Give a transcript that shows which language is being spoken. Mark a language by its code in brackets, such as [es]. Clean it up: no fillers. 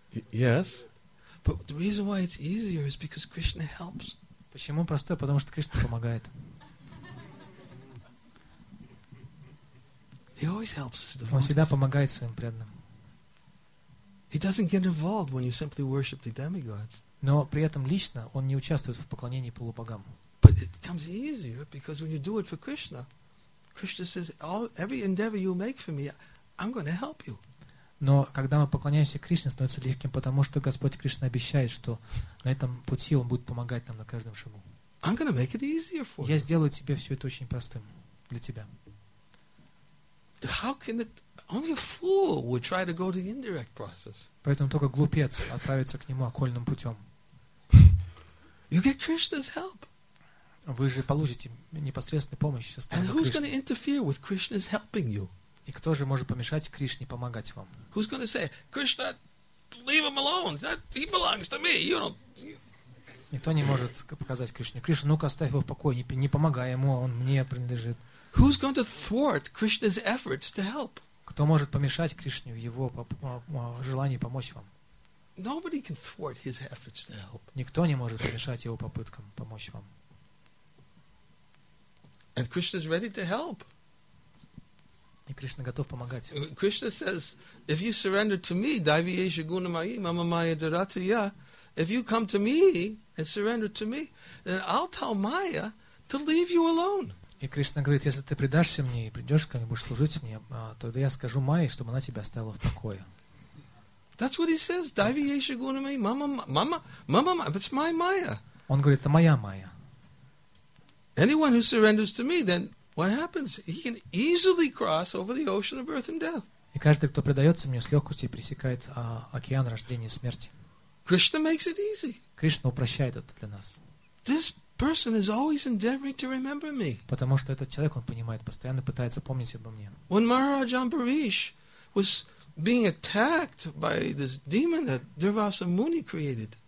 [en] Yes, but the reason why it's easier is because Krishna helps. [ru] Почему простой? Потому что Кришна помогает. [en] He always helps us. [ru] Он всегда помогает своим преданным. [en] He doesn't get involved when you simply worship the demigods. [ru] Но при этом лично он не участвует в поклонении полубогам. [en] But it becomes easier because when you do it for Krishna, Krishna says, "All every endeavor you make for me, I'm going to help you." [ru] Но когда мы поклоняемся Кришне, становится легким, потому что Господь Кришна обещает, что на этом пути Он будет помогать нам на каждом шагу. [en] I'm gonna make it easier for you. [ru] Я сделаю тебе все это очень простым для тебя. [en] How can it? Only a fool would try to go to the indirect process. [ru] Поэтому только глупец отправится к нему окольным путем. [en] You get Krishna's help. [ru] Вы же получите непосредственную помощь со стороны [en] Кришны. And who's gonna interfere with Krishna's helping you? [ru] И кто же может помешать Кришне помогать вам? [en] Who's going to say, Krishna, leave him alone. That, he belongs to me. You don't. [ru] Никто не может показать Кришне. Кришна, ну-ка, оставь его в покое. Не помогай ему, он мне принадлежит. [en] Who's going to thwart Krishna's efforts to help? [ru] Кто может помешать Кришне в его желании помочь вам? [en] Nobody can thwart his efforts to help. [ru] Никто не может помешать его попыткам помочь вам. [en] And Krishna's ready to help. [ru] И Кришна готов помогать. [en] Krishna says, if you surrender to me, [sa] Daivyesha Guna Mayi, Mama Maya Dharatiya, [en] if you come to me and surrender to me, then I'll tell Maya to leave you alone. [ru] И Кришна говорит, если ты предашься мне и придешь ко мне, будешь служить мне, тогда я скажу Майе, чтобы она тебя оставила в покое. [en] That's what he says, [sa] Daivyesha Guna Mayi, Mama, [en] it's my Maya. [ru] Он говорит, это моя Майя. [en] Anyone who surrenders to me, then what happens? He can easily cross over the ocean of birth and death. [ru] И каждый, кто предается мне, с легкостью пересекает океан рождения и смерти. [en] Krishna makes it easy. [ru] Кришна упрощает это для нас. [en] This person is always endeavoring to remember me. [ru] Потому что этот человек, он понимает, постоянно пытается помнить обо мне. [en] When Maharaj Ambarish was being attacked by this demon that Durvasa Muni created.